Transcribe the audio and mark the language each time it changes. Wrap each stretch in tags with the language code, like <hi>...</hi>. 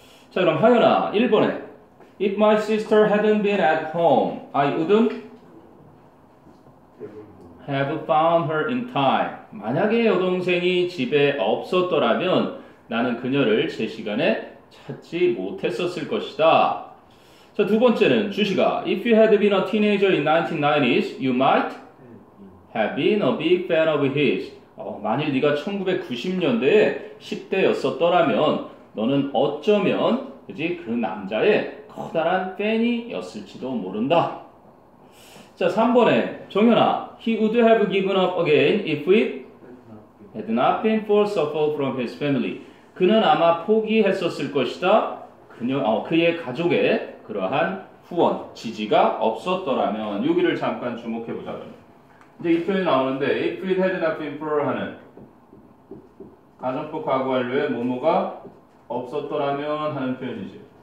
<ko>자, 그럼 하연아, 1번에</ko> <en>If my sister hadn't been at home, I wouldn't have found her in time.</en> <ko>만약에 여동생이 집에 없었더라면 나는 그녀를 제 시간에 찾지 못했었을 것이다. 자, 두 번째는 주시가</ko> <en>If you had been a teenager in 1990s, you might have been a big fan of his.</en> <ko>만일 네가 1990년대에 10대였었더라면 너는 어쩌면 그지 그 남자의 커다란 팬이었을지도 모른다. 자, 3번에 정현아</ko> <en>He would have given up again if it had not been for support from his family.</en> <ko>그는 아마 포기했었을 것이다. 그의 가족의 그러한 후원, 지지가 없었더라면 여기를 잠깐 주목해보자. 이제 이 표현이 나오는데</ko> <en>If it had not been for</en> <ko>하는 가정법 과거 완료에 뭐뭐가 없었더라면 하는 표현이지.</ko>